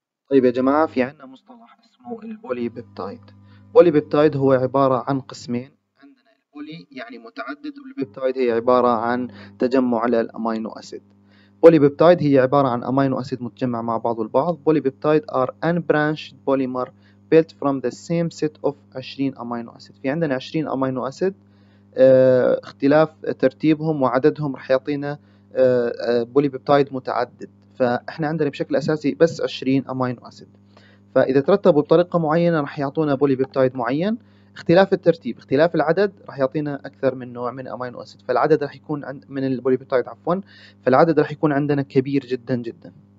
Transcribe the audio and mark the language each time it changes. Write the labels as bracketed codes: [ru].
[ar] طيب يا جماعه، في عندنا مصطلح اسمه البولي بيبتايد. بولي بيبتايد هو عباره عن قسمين، عندنا البولي يعني متعدد، والبيبتايد هي عباره عن تجمع على الامينو اسيد. بوليبيبتايد هي عبارة عن أمينو أسيد متجمع مع بعض البعض. [en] Polypeptide are unbranched polymer built from the same set of 20 amino acid. [ar] في عندنا 20 أمينو أسيد، اختلاف ترتيبهم وعددهم رح يعطينا بوليبيبتايد متعدد، فإحنا عندنا بشكل أساسي بس 20 أمينو أسيد، فإذا ترتبوا بطريقة معينة رح يعطونا بوليبيبتايد معين. اختلاف الترتيب، اختلاف العدد راح يعطينا اكثر من نوع من امينو اسيد، فالعدد راح يكون من البوليبيبتايد عفوا، فالعدد راح يكون عندنا كبير جدا جدا.